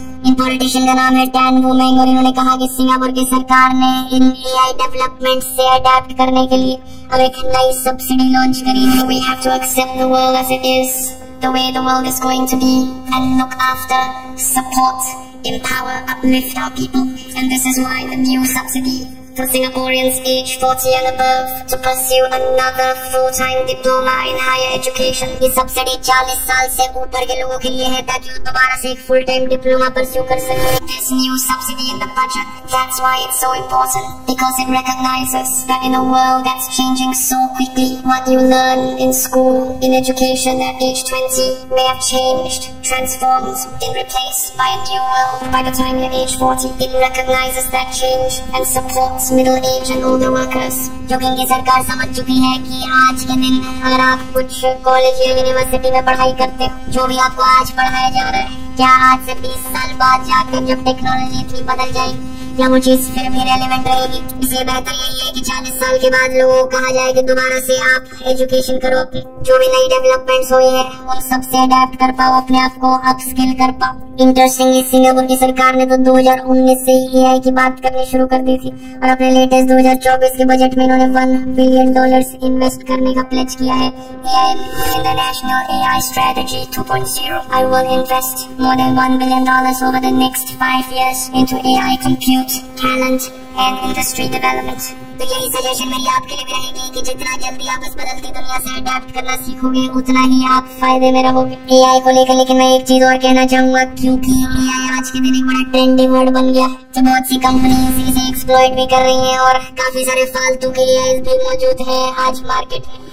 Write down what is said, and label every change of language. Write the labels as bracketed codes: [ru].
[hi] इन politician का नाम है टैन वू मेंग, और इन्होंने कहा कि सिंगापुर की सरकार ने इन AI डेवलपमेंट से अडेप्ट करने के लिए अब एक नई सब्सिडी लॉन्च करी है। [en] We have to accept the world as it is, the way the world is going to be, and look after, support, empower, uplift our people, and this is why the new subsidy for Singaporeans age 40 and above to pursue another full-time diploma in higher education. [hi] ये subsidy 40 साल से ऊपर के लोगों के लिए है ताकि वो दोबारा से एक full-time diploma pursue कर सकें. [en] This new subsidy in the budget, that's why it's so important. Because it recognizes that in a world that's changing so quickly, what you learn in school, in education at age 20 may have changed, transformed, been replaced by a new world by the time you're age 40. It recognizes that change and supports middle-aged and older workers. [hi] क्योंकि इनकी सरकार समझ चुकी है कि आज के दिन अगर आप कुछ कॉलेज या यूनिवर्सिटी में पढ़ाई करते हो, जो भी आपको आज पढ़ाया जा रहा है, क्या आज से 20 साल बाद जाकर जब टेक्नोलॉजी इतनी बदल जाएगी, क्या वो चीज फिर भी रेलेवेंट रहेगी? इसलिए बेहतर यही है कि 40 साल के बाद लोगों को कहा जाए कि दोबारा से आप एजुकेशन करो, जो भी नई डेवलपमेंट्स हुई है उन सबसे अडेप्ट कर पाओ, अपने आप को अपस्किल कर पाओ. इंटरेस्टिंगली सिंगापुर की सरकार ने तो 2019 से ही AI की बात करनी शुरू कर दी थी और अपने लेटेस्ट 2024 के बजट में इन्होंने $1 billion इन्वेस्ट करने का प्लेज किया है. [en] International AI Strategy 2.0. I will invest more than $1 billion over the next 5 years into AI compute, talent and industry development. [hi] तो यही सजेशन मेरी आपके लिए भी रहेगी कि जितना जल्दी आप इस बदलती दुनिया से अडेप्ट करना सीखोगे उतना ही आप फायदे में रहोगे AI को लेकर. लेकिन मैं एक चीज और कहना चाहूंगा, क्योंकि AI आज के दिन एक बड़ा ट्रेंडी वर्ड बन गया है, तो बहुत सी कंपनी इसे एक्सप्लॉइट भी कर रही है और काफी सारे फालतू के AI भी मौजूद है आज मार्केट में.